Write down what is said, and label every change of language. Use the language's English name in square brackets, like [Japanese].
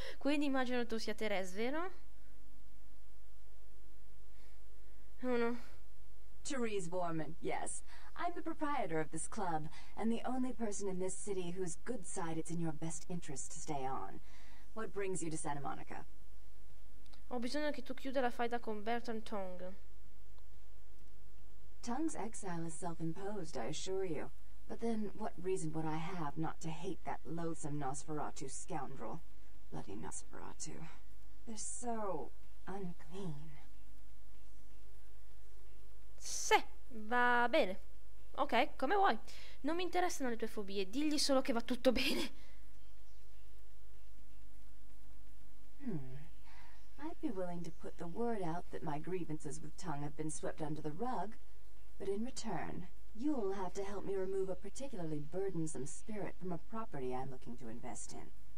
[Italian] Quindi immagino tu sia Teresa, vero? Uno. [English] Therese Borman, yes. I'm the proprietor of this club and the only person in this city whose good side it's in your best interest to stay on. What brings you to Santa Monica? [Italian] Ho bisogno che tu chiuda la faida con Bertrand Tong. [English] Tong's exile is self-imposed, I assure you. But then, what reason would I have not to hate that loathsome Nosferatu scoundrel? Bloody Nosferatu. They're so unclean. [Italian] Sì, va bene. Ok, come vuoi. Non mi interessano le tue fobie, digli solo che va tutto bene. [English] I'd be willing to put the word out that my grievances with Tong have been swept under the rug, but in return, you'll have to help me remove a particularly burdensome spirit from a property I'm looking to invest in.